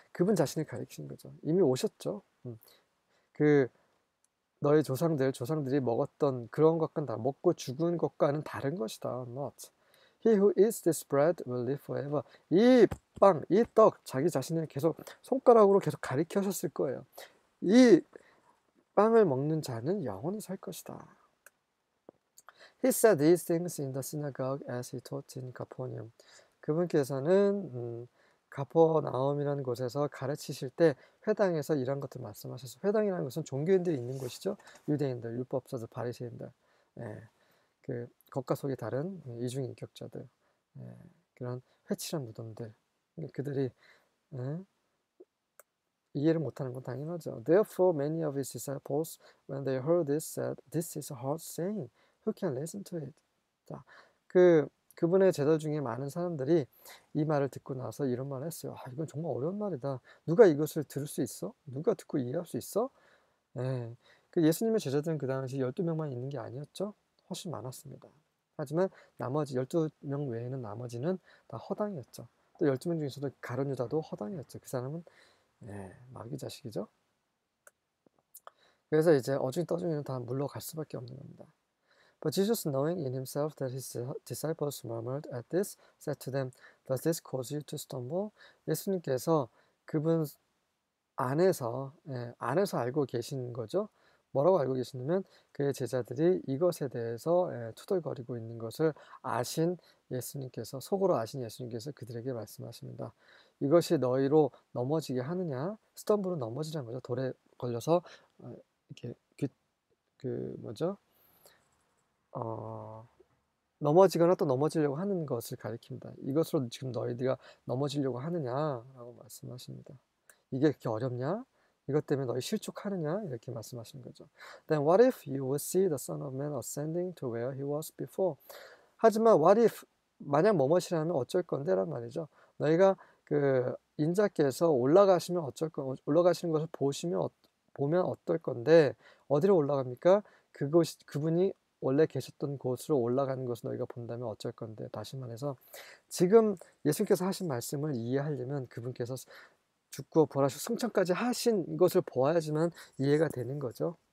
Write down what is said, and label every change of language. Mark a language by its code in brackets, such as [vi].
[ko] 그분 자신을 가리키는 거죠. 이미 오셨죠. 그 너의 조상들이 먹었던 그런 것과는 다 먹고 죽은 것과는 다른 것이다. [en] Not. He who eats this bread will live forever. [ko] 이 빵, 이떡 자기 자신을 계속 손가락으로 계속 가리키셨을 거예요. 이 빵을 먹는 자는 영원히 살 것이다. [en] He said these things in the synagogue as he taught in Capernaum. [ko] 그분께서는 가퍼나움이라는 곳에서 가르치실 때 회당에서 이런 것들 말씀하셨어요. 회당이라는 것은 종교인들이 있는 곳이죠. 유대인들, 율법사들, 바리새인들, 그 겉과 속이 다른 이중 인격자들, 그런 회칠한 무덤들. 그들이 이해를 못하는 건 당연하죠. [en] Therefore, many of his disciples, when they heard this, said, "This is a hard saying. Who can listen to it?" [ko] 자, 그 그분의 제자 중에 많은 사람들이 이 말을 듣고 나서 이런 말을 했어요. 아, 이건 정말 어려운 말이다. 누가 이것을 들을 수 있어? 누가 듣고 이해할 수 있어? 예. 그 예수님의 제자들은 그 당시 12명만 있는 게 아니었죠. 훨씬 많았습니다. 하지만 나머지 12명 외에는 나머지는 다 허당이었죠. 또 12명 중에서도 가룟 유다도 허당이었죠. 그 사람은 마귀 자식이죠. 그래서 이제 어중떠중이는 다 물러갈 수밖에 없는 겁니다. [en] But Jesus, knowing in himself that his disciples murmured at this, said to them, Does this cause you to stumble? [ko] 예수님께서 그분 안에서, 안에서 알고 계신 거죠. 뭐라고 알고 계시냐면, 그의 제자들이 이것에 대해서 투덜거리고 있는 것을 아신 예수님께서, 속으로 아신 예수님께서 그들에게 말씀하십니다. 이것이 너희로 넘어지게 하느냐? 스톰블은 넘어지는 거죠. 돌에 걸려서, 이렇게, 뭐죠? 넘어지거나 또 넘어지려고 하는 것을 가리킵니다. 이것으로 지금 너희들이 넘어지려고 하느냐라고 말씀하십니다. 이게 그렇게 어렵냐? 이것 때문에 너희 실족하느냐? 이렇게 말씀하시는 거죠. [en] Then what if you would see the Son of Man ascending to where he was before? [ko] 하지만 [en] what if [ko] 만약 뭐뭐시라면 어쩔 건데란 말이죠. 너희가 그 인자께서 올라가시면 어쩔 건 올라가시는 것을 보면 어떨 건데 어디로 올라갑니까? 그곳이 그분이 원래 계셨던 곳으로 올라가는 것을 너희가 본다면 어쩔 건데, 다시 말해서 지금 예수님께서 하신 말씀을 이해하려면 그분께서 죽고 부활하시고 승천까지 하신 것을 보아야지만 이해가 되는 거죠.